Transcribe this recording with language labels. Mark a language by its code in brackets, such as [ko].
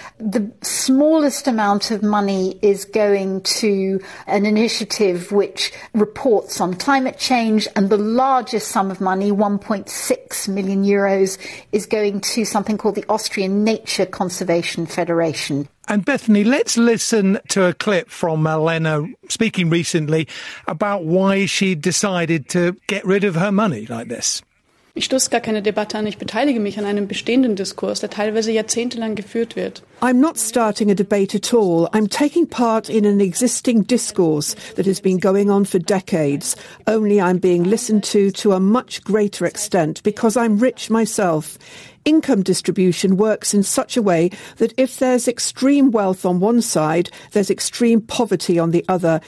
[en] The smallest amount of money is going to an initiative which reports on climate change, and the largest sum of money, 1.6 million euros, is going to something called the Austrian Nature Conservation Federation. And Bethany, let's listen to a clip from Elena speaking recently about why she decided to get rid of her money like this. [de] Ich stoße gar keine Debatte an. Ich beteilige mich an einem bestehenden Diskurs, der teilweise jahrzehntelang geführt wird. [en] I'm not starting a debate at all. I'm taking part in an existing discourse that has been going on for decades. Only I'm being listened to a much greater extent because I'm rich myself. Income distribution works in such a way that if there's extreme wealth on one side, there's extreme poverty on the other.